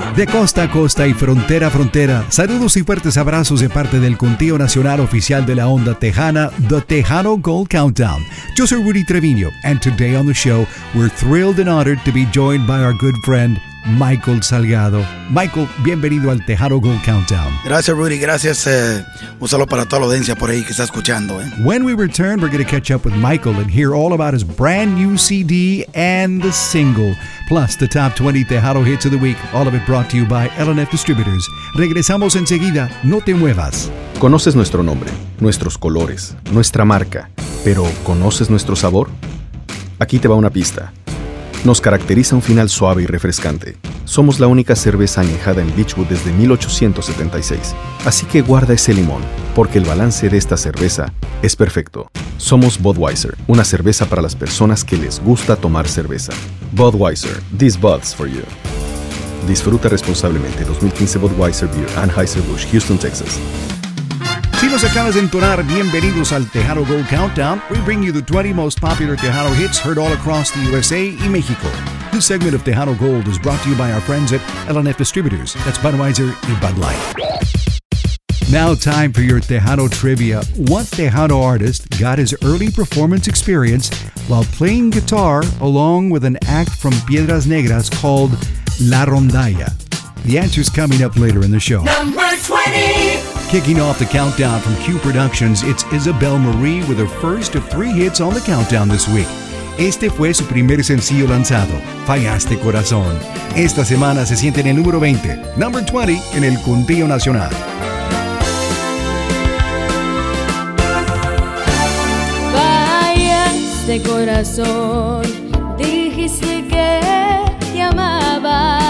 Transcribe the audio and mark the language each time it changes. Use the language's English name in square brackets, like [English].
[Spanish] De costa a costa y frontera a frontera, saludos y fuertes abrazos de parte del Contigo Nacional Oficial de la Onda Tejana, The Tejano Gold Countdown. Yo soy [English] Rudy Trevino, and today on the show, we're thrilled and honored to be joined by our good friend, Michael Salgado. [Spanish] Michael, bienvenido al Tejano Gold Countdown. Gracias, Rudy. Gracias. Un saludo para toda la audiencia por ahí que está escuchando. [English] When we return, we're going to catch up with Michael and hear all about his brand new CD and the single, plus the top 20 Tejano hits of the week, all of it brought to you by LNF Distributors. [Spanish] Regresamos enseguida. No te muevas. ¿Conoces nuestro nombre, nuestros colores, nuestra marca, pero conoces nuestro sabor? Aquí te va una pista. Nos caracteriza un final suave y refrescante. Somos la única cerveza añejada en Beechwood desde 1876. Así que guarda ese limón, porque el balance de esta cerveza es perfecto. Somos Budweiser, una cerveza para las personas que les gusta tomar cerveza. [English] Budweiser, this Bud's for you. [Spanish] Disfruta responsablemente. 2015 Budweiser Beer, Anheuser-Busch, Houston, Texas. Si nos acabas de entonar, bienvenidos al Tejano Gold Countdown. [English] We bring you the 20 most popular Tejano hits heard all across the USA [Spanish] y México. [English] This segment of Tejano Gold is brought to you by our friends at LNF Distributors. That's Budweiser and Bud Light. Now time for your Tejano trivia. What Tejano artist got his early performance experience while playing guitar along with an act from Piedras Negras called La Rondalla? The answer's coming up later in the show. Number 20! Kicking off the countdown from Q Productions, it's Isabel Marie with her first of three hits on the countdown this week. [Spanish] Este fue su primer sencillo lanzado, Fallaste Corazón. Esta semana se siente en el número 20, [English] number 20 [Spanish] en el conteo nacional. Fallaste corazón, dijiste que te amaba.